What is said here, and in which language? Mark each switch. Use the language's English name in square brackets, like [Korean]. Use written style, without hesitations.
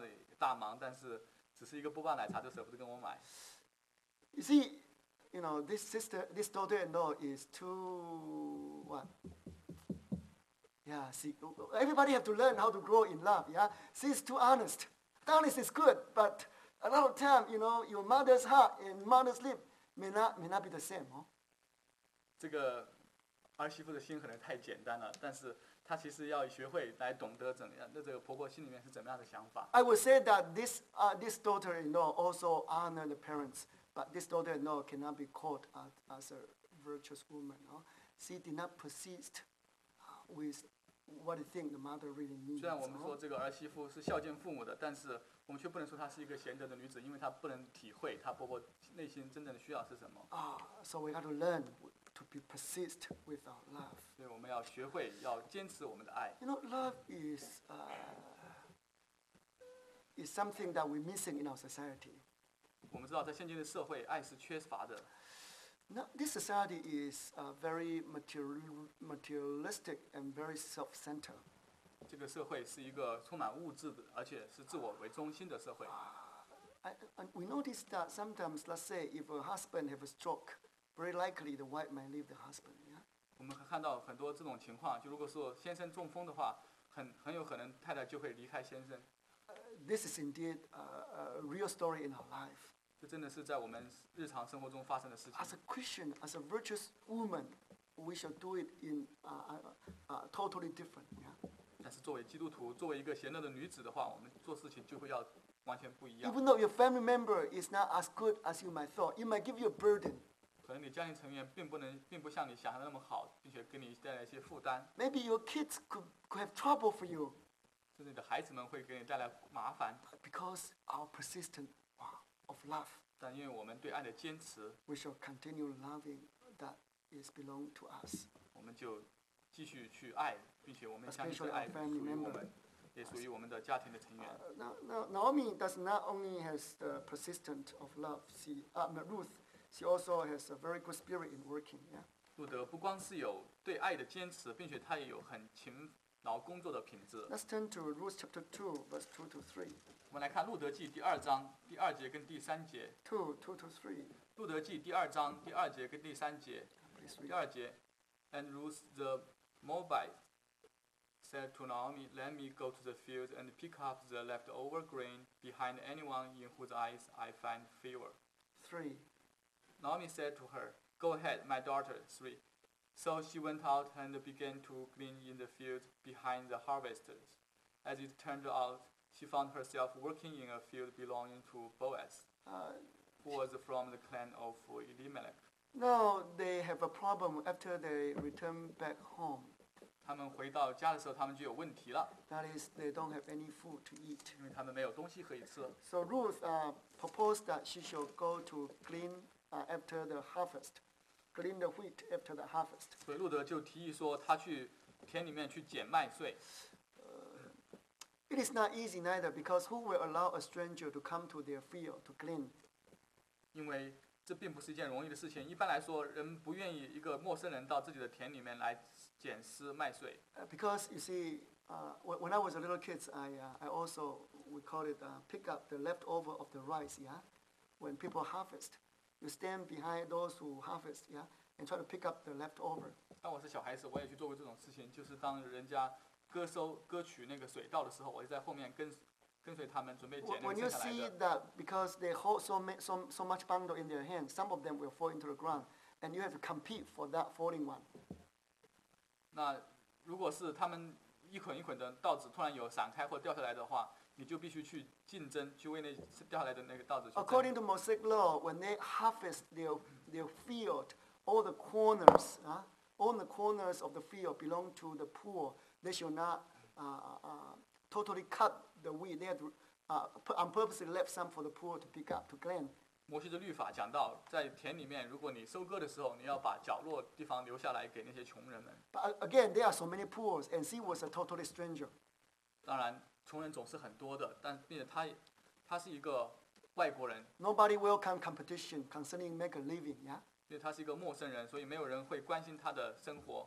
[Chinese] 这个婆婆回去之后心里就不好受了。她说，我帮了这个家庭财经上的大忙，但是只是一个波霸奶茶都舍不得跟我买。 [English] You see, you know, this sister, this daughter-in-law is too, what? Yeah, see, everybody have to learn how to grow in love, yeah? She's too honest. Honest is good, but a lot of time, you know, your mother's heart and mother's lip may not be the same. [Chinese] 这个儿媳妇的心可能太简单了，但是她其实要学会来懂得怎样，那这个婆婆心里面是怎么样的想法。 [English] I would say that this daughter-in-law also honor the parents, but this daughter-in-law cannot be called as a virtuous woman. She did not persist with what do you think the mother really means? [Chinese] 虽然我们说这个儿媳妇是孝敬父母的，但是我们却不能说她是一个贤德的女子，因为她不能体会她婆婆内心真正的需要是什么。 [English] So we have to learn to be persist with our love. [Chinese] 对，我们要学会要坚持我们的爱。 [English] You know, love is something that we're missing in our society. [Chinese] 我们知道在现今的社会，爱是缺乏的。 [English] Now, this society is very materialistic and very self-centered. [Chinese] 这个社会是一个充满物质的，而且是自我为中心的社会。 [English] We notice that sometimes, let's say, if a husband has a stroke, very likely the wife might leave the husband. Yeah? [Chinese] 我们看到很多这种情况，就如果说先生中风的话，很有可能太太就会离开先生。 [English] This is indeed a real story in our life. [Chinese] 这真的是在我们日常生活中发生的事情。 [English] As a Christian, as a virtuous woman, we shall do it in totally different. Yeah. [Chinese] 但是作为基督徒，作为一个贤德的女子的话，我们做事情就会要完全不一样。 [English] Even though your family member is not as good as you might thought, it might give you a burden. [Chinese] 可能你家庭成员并不像你想象的那么好，并且给你带来一些负担。 [English] Maybe your kids could have trouble for you. [Chinese] 甚至你的孩子们会给你带来麻烦。 [English] Because our persistent of love, [Chinese] 但因为我们对爱的坚持， [English] we shall continue loving that is belong to us. [Chinese] 我们就继续去爱，并且我们相信爱属于我们，也属于我们的家庭的成员。 [English] Naomi does not only has the persistence of love. Ruth, she also has a very good spirit in working. Yeah. [Chinese] 路德不光是有对爱的坚持，并且她也有很勤劳工作的品质。 [English] Let's turn to Ruth chapter 2, verse 2 to 3. [Chinese] 我们来看路德记第二章第二节跟第三节。 [English] 2:2-3. [Chinese] 路德记第二章第二节跟第三节。第二节。 [English] And Ruth the Moabite said to Naomi, let me go to the field and pick up the leftover grain behind anyone in whose eyes I find favor. 3. Naomi said to her, go ahead, my daughter. 3. So she went out and began to glean in the field behind the harvesters. As it turned out,she found herself working in a field belonging to Boaz, who was from the clan of Elimelech. Now they have a problem after they return back home. [Chinese] 他们回到家的时候，他们就有问题了。 [English] That is, they don't have any food to eat. [Chinese] 因为他们没有东西可以吃。 [English] So Ruth proposed that she should go to glean after the harvest, glean the wheat after the harvest. [Chinese] 所以路德就提议说，他去田里面去捡麦穗。 [English] It is not easy neither, because who will allow a stranger to come to their field to glean? [Chinese] 因为这并不是一件容易的事情。一般来说，人不愿意一个陌生人到自己的田里面来捡拾麦穗。 [English] Because you see, when I was a little kid, I also we call it pick up the leftover of the rice. Yeah, when people harvest, you stand behind those who harvest. Yeah, and try to pick up the leftover. [Chinese] 当我是小孩子，我也去做过这种事情，就是当人家。割取那个水稻的时候，我就在后面跟随他们，准备捡那剩下来的。 [English] When you see that because they hold so much bundle in their hands, some of them will fall into the ground, and you have to compete for that falling one. [Chinese] 那如果是他们一捆一捆的稻子突然有散开或掉下来的话，你就必须去竞争，去为那掉下来的那个稻子去争。 [English] According to Mosaic law, when they harvest their field, all the corners, all the corners of the field belong to the poor. They should not totally cut the wheat. They had on purpose left some for the poor to pick up to glean. [Chinese] 摩西的律法讲到，在田里面，如果你收割的时候，你要把角落地方留下来给那些穷人们。 [English] But again, there are so many poor, and she was a totally stranger. [Chinese] 当然，穷人总是很多的，但并且他是一个外国人。 [English] Nobody welcome competition concerning make a living, yeah. [Chinese] 因为他是一个陌生人，所以没有人会关心他的生活。